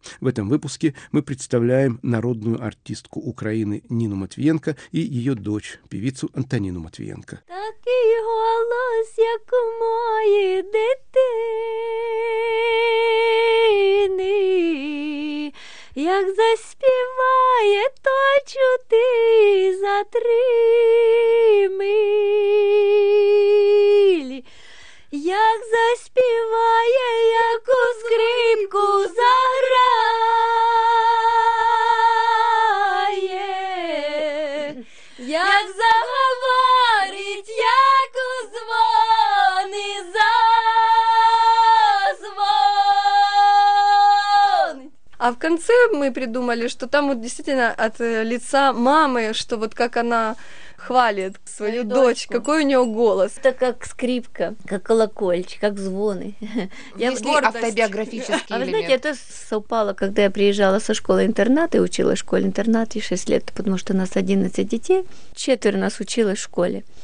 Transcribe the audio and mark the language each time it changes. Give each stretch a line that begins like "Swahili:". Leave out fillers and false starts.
Russian: В этом выпуске мы представляем народную артистку Украины Нину Матвиенко и ее дочь, певицу Антонину Матвиенко.
Ukrainian: Такий голос, як у моєї дитини, як заспіває, то чути три милі. Як заспіває, як у скрипку заграє, як заговорить, як у дзвони задзвонить.
Russian: А в конце
Ukrainian: ми придумали, що там от дійсно від лиця мами, що от як вона...
Russian: хвалит свою дочь, какой у нее голос. Это как скрипка, как колокольчик, как звоны. Внесли я автобиографический элемент. А вы знаете, это совпало, когда я приезжала со школы-интерната и училась в школе-интернате 6 лет, потому что у нас 11 детей, 4 нас училось в школе.